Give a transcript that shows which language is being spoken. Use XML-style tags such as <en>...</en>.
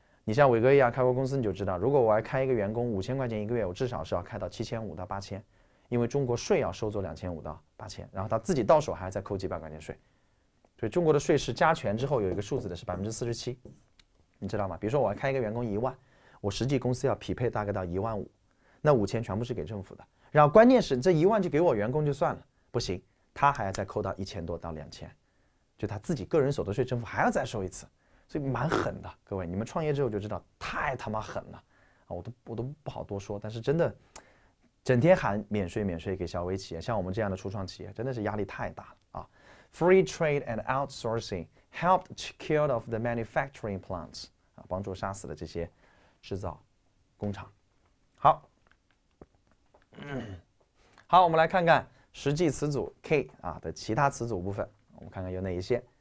<zh>你像伟哥一样开过公司，你就知道，如果我要开一个员工5000块钱一个月，我至少是要开到7500到8000，因为中国税要收走2500到8000，然后他自己到手还要再扣几百块钱税，所以中国的税是加权之后有一个数字的，是47%，你知道吗？比如说我要开一个员工10000，我实际公司要匹配大概到15000，那5000全部是给政府的，然后关键是这10000就给我员工就算了，不行，他还要再扣到1000多到2000，就他自己个人所得税，政府还要再收一次。所以蛮狠的，各位，你们创业之后就知道，太他妈狠了，啊，我都不好多说。但是真的，整天喊免税免税给小微企业，像我们这样的初创企业，真的是压力太大了啊。</zh> <en>Free trade and outsourcing helped kill off the manufacturing plants，啊，</en> <zh>帮助杀死了这些制造工厂。好，好，我们来看看实际词组 K 啊的其他词组部分，我们看看有哪一些。</zh>